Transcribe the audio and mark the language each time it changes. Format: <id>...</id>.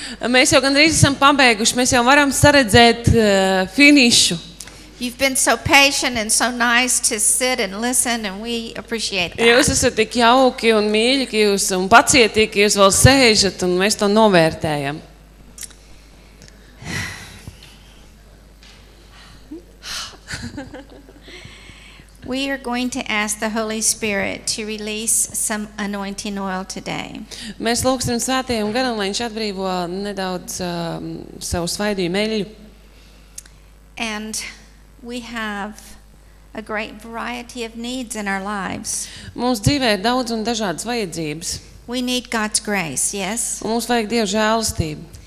<lv>Mēs jau gandrīz esam pabeiguši, mēs jau varam saredzēt finišu.</lv> <en>You've been so patient and so nice to sit and listen and we appreciate that.</en> <lv>Jūs esat tik jauki un mīļi, ka jūs un pacietīgi, jūs vēl sēžat un mēs to novērtējam.</lv> <en>We are going to ask the Holy Spirit to release some anointing oil today.</en> <lv>Mēs lūksim Svētajam Garam, lai viņš atbrīvo nedaudz savu svaidījumu eļļu.</lv> <en>And we have a great variety of needs in our lives.</en> <lv>Mums dzīvē ir daudz un dažādas vajadzības.</lv> <en>We need God's grace, yes.</en> <lv>Un mums vajag Dieva žēlstību.</lv>